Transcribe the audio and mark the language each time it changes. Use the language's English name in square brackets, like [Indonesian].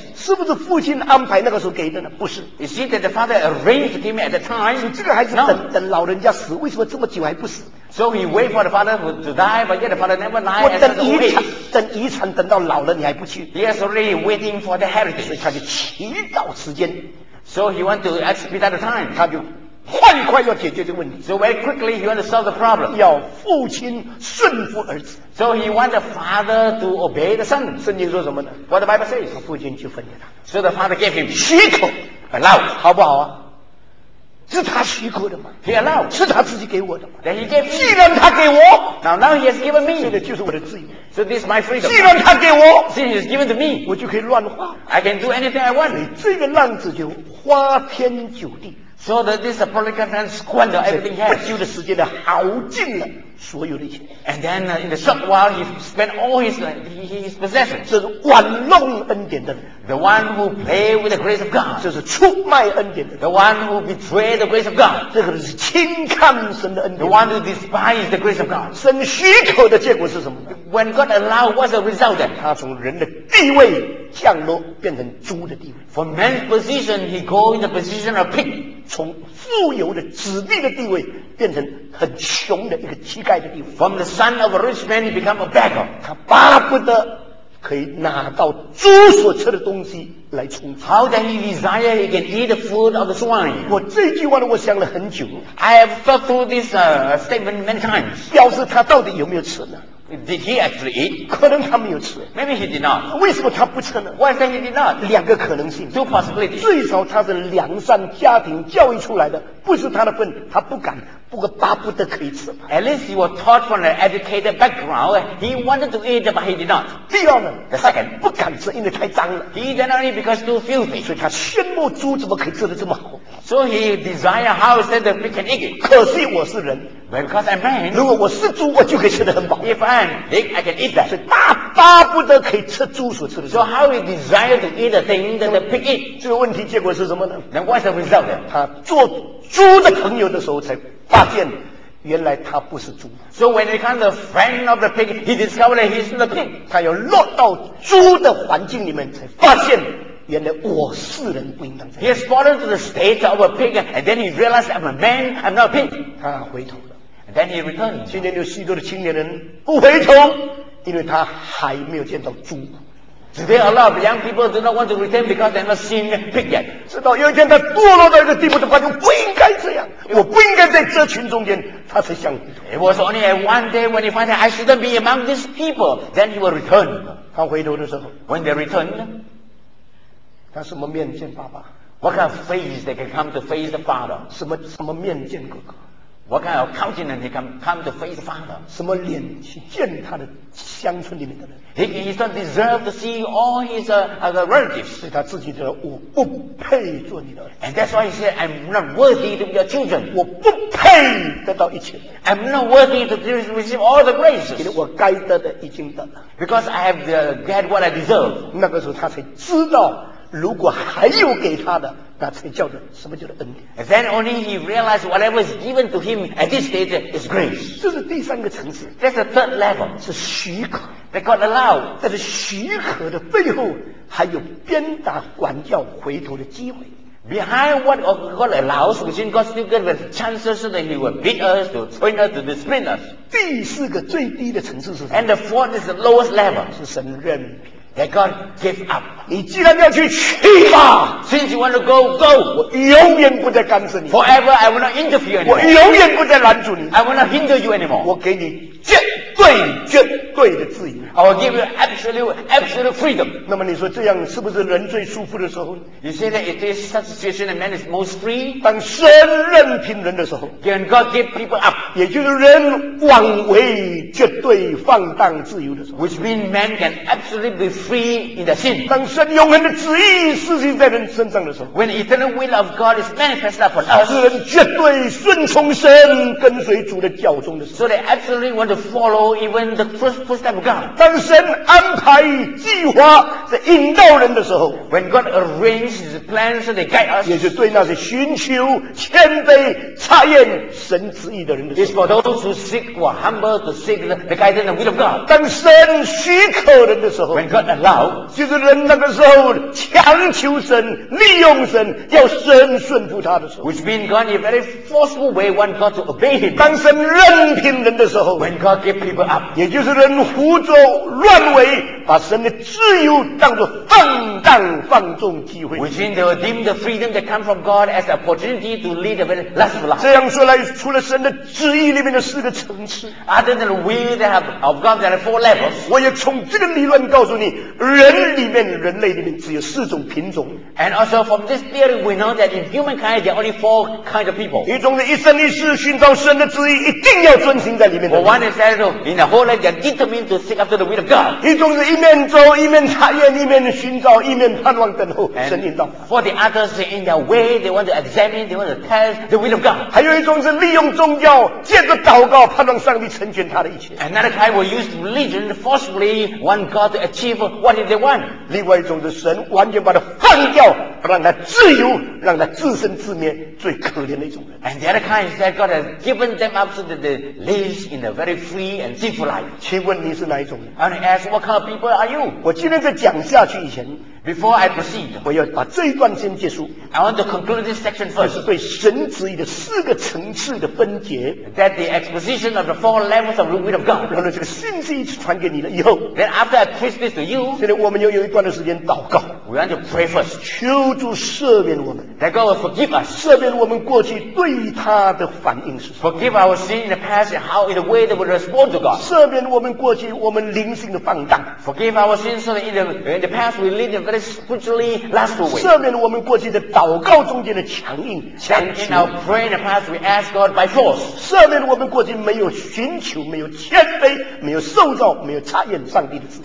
[Chinese] 是不是父亲安排那个时候给的呢？不是。 [English] You see that the father arranged to give me at the time? [Chinese] 这个孩子等、 [English] no. [Chinese] 等老人家死，为什么这么久还不死？ [English] So he waited for the father to die, but yet the father never died. [Chinese] 我等遗产，等遗产等到老了你还不去。 [English] He is already waiting for the heritage. [Chinese] 所以他就祈祷时间。 [English] So he want to expedite the time. [Chinese] 他就。很快要解决这个问题。 [English] So very quickly he want to solve the problem. [Chinese] 要父亲顺服儿子。 [English] So he want the father to obey the son. [Chinese] 圣经说什么呢？ [English] What the Bible says? [Chinese] 父亲就分给他。 [English] So the father gave him [Chinese] 许可 [English] allowed [Chinese] 好不好啊？是他许可的吗？ [English] He allowed. [Chinese] 是他自己给我的吗？ [English] Then he gave me. [Chinese] 既然他给我， [English] now he has given me. [Chinese] 这个就是我的自由。 [English] So this is my freedom. [Chinese] 既然他给我， [English] since he has given to me. [Chinese] 我就可以乱花。 [English] I can do anything I want. [Chinese] 你这个浪子就花天酒地。 [English] So that this prolific man squandered everything he had. [Chinese] 不久的时间呢，耗尽了所有的钱。 [English] And then in the short while he spent all his his possessions. [Chinese] 这是玩弄恩典的人。 [English] The one who play with the grace of God. [Chinese] 这是出卖恩典的人。 [English] The one who betray the grace of God. [Chinese] 这个人是轻看神的恩典。 [English] The one who despise the grace of God. [Chinese] 神许可的结果是什么呢？ [English] When God allowed, what's the result? [Chinese] 他从人的地位降落，变成猪的地位。 [English] From man's position, he goes in the position of pig. [Chinese] 从富有的子弟的地位，变成很穷的一个乞丐的地位。 [English] From the son of a rich man, he becomes a beggar. [Chinese] 他巴不得可以拿到猪所吃的东西来充饥。 [English] How that he desire he can eat the food of the swine. [Chinese] 我这句话呢，我想了很久。 [English] I have thought through this statement many times. [Chinese] 表示他到底有没有吃呢？ [English] Did he actually eat? [Chinese] 可能他没有吃。 [English] Maybe he did not. [Chinese] 为什么他不吃呢？ [English] Why is that he did not? [Chinese] 两个可能性。 [English] Two possibilities. [Chinese] 最少他是良善家庭教育出来的，不是他的份，他不敢，不过巴不得可以吃。 [English] At least he was taught from an educated background. He wanted to eat, but he did not. [Chinese] 第二呢？ [English] The second. [Chinese] 不敢吃，因为太脏了。 [English] He did not eat because too filthy. [Chinese] 所以他羡慕猪怎么可以吃得这么好。 [English] So he desired how is that we can eat it. [Chinese] 可惜我是人。 [English] Because I'm man. [Chinese] 如果我是猪，我就可以吃得很饱。 [English] If I'm pig, I can eat that. [Chinese] 所以大巴不得可以吃猪所吃的。 [English] So how he desired to eat the thing that the pig eat. [Chinese] 这个问题结果是什么呢？ [English] Then what's the result? [Chinese] 他做猪的朋友的时候才发现原来他不是猪。 [English] So when he comes the friend of the pig, he discovered that he's the pig. [Chinese] 他要落到猪的环境里面才发现原来我是人，不应当这样。 [English] He has fallen to the state of a pig, and then he realized I'm a man, I'm not a pig. [Chinese] 他回头了。 [English] And then he returned. [Chinese] 今天有许多的青年人不回头，因为他还没有见到猪。 [English] Today a lot of young people do not want to return because they have not seen a pig yet. [Chinese] 直到有一天他堕落到一个地步，他发现不应该这样，我不应该在这群中间，他才想。 [English] It was only one day when he found that I shouldn't be among these people, then he will return. [Chinese] 他回头的时候 [English] ，When they return, [Chinese] 他什么面见爸爸 [English] ？What kind of face they can come to face the father？ [Chinese] 什么面见哥哥 [English] ？What kind of countenance they can come to face the father？ [Chinese] 什么脸去见他的乡村里面的人？ [English] He doesn't deserve to see all his relatives. [Chinese] 他自己说我不配做你的儿子。 [English] And that's why he said, I'm not worthy to be your children. [Chinese] 我不配得到一切。 [English] I'm not worthy to receive all the graces. [Chinese] 因为我该得的已经得了。 [English] Because I have get what I deserve. [Chinese] 那个时候他才知道，如果还有给他的，那才叫做什么叫做恩典。 [English] And then only he realized whatever is given to him at this stage is grace. [Chinese] 这是第三个层次。 [English] That's the third level. [Chinese] 是许可。 [English] They got allowed. [Chinese] 但是许可的背后还有鞭打管教回头的机会。 [English] Behind what God allows, we think God still gives chances that He will beat us, to train us, to discipline us. [Chinese] 第四个最低的层次是什么？ [English] And the fourth is the lowest level. [Chinese] 是神任凭。 [English] That God gives up. [Chinese] 你既然要去，去吧。 [English] Since you want to go, go. [Chinese] 我永远不再干涉你。 [English] Forever, I will not interfere anymore. [Chinese] 我永远不再拦阻你。 [English] I will not hinder you anymore. [Chinese] 我给你绝对的自由。 [English] I will give you absolute freedom. [Chinese] 那么你说这样是不是人最舒服的时候？ [English] You say that it is such a situation that man is most free. [Chinese] 当神任凭人的时候， [English] When God give people up, [Chinese] 也就是人妄为绝对放荡自由的时候， [English] Which means man can absolutely be free in the sin. [Chinese] 当神永恒的旨意实行在人身上的时候， [English] When eternal will of God is manifested upon us, [Chinese] 是人绝对顺从神跟随主的教宗的时候， [English] So they absolutely want to follow even the first step of God. [Chinese] 当神安排计划在引导人的时候， [English] When God arranges His plans and they guide us, [Chinese] 也就对那些寻求谦卑查验神旨意的人的时候， [English] It's for those who seek or humble to seek the guidance and will of God. [Chinese] 当神许可人的时候， [English] When God allow, [Chinese] 就是人那个时候强求神利用神要神顺服他的时候， [English] Which means God in a very forceful way want God to obey Him. [Chinese] 当神任凭人的时候， [English] When God give people up， [Chinese] 也就是人胡作乱为，把神的自由当作放荡放纵机会。 [English] Which means they will deem the freedom that come from God as an opportunity to lead a very lustful life。 [Chinese] 这样说来，除了神的旨意里面的四个层次 [English] ，other than the will that have of God there are four levels。 [Chinese] 我也从这个理论告诉你，人里面人类里面只有四种品种。 [English] And also from this theory we know that in humankind there are only four kinds of people。 [Chinese] 一种人一生一世寻找神的旨意，一定要遵行在里面的。 [English] For one is that in the whole life they are determined to seek after the will of God。 [Chinese] 一种人一面走一面查验一面寻找一面盼望等候神引导。 [English] For the others in their way they want to examine they want to test the will of God。 [Chinese] 还有一种是利用宗教借着祷告盼望上帝成全他的一切。 [English] Another kind will use religion forcefully want God to achieve what they want。 [Chinese] 另外一种是神完全把他放掉，让他自由，让他自生自灭，最可怜的一种人。 [English] And the other kind is that God has given them up so that they live in a very free and sinful life。 [Chinese] 请问你是哪一种人 [English] ？And ask what kind of people are you？ [Chinese] 我今天在讲下去以前 [English] ，Before I proceed， [Chinese] 我要把这一段先结束。 [English] I want to conclude this section first。 [Chinese] 就是对神旨意的四个层次的分解。 [English] That the exposition of the four levels of the will of God。 [Chinese] 然后这个信息一直传给你了以后 [English] ，Then after I preach this to you， [Chinese] 现在我们又有一段的时间祷告。 [English] We want to pray first。 [Chinese] 求主赦免我们 [English] ，That God will forgive us。 [Chinese] 赦免我们过去对他的反应是什么 [English] ？Forgive our sin in the past and how in the way that we respond to God。 [Chinese] 赦免我们过去我们灵性的放荡。 [English] Forgive our sins so that in the past we lived in a very spiritually lustful way。 [Chinese] 赦免我们过去的祷告中间的强硬。 [English] And in our prayer in the past we ask God by force。 [Chinese] 赦免我们过去没有寻求、没有谦卑、没有受造、没有查验上帝的旨意。